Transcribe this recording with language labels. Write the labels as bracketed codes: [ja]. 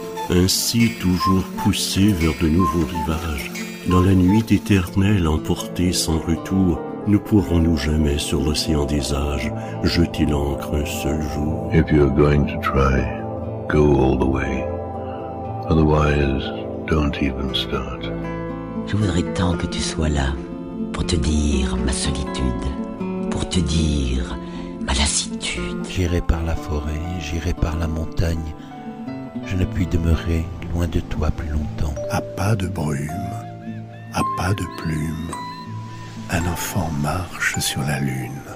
[fr] Ainsi toujours poussé vers de nouveaux rivages, dans la nuit éternelle emportée sans retour, ne pourrons-nous jamais sur l'océan des âges jeter l'ancre un seul jour? [en] If you're going to try, go all the way. Otherwise, don't even start. [fr] Je voudrais tant que tu sois là pour te dire ma solitude, pour te dire ma lassitude. J'irai par la forêt, j'irai par la montagne. Je ne puis demeurer loin de toi plus longtemps. À pas de brume, à pas de plume, un enfant marche sur la lune.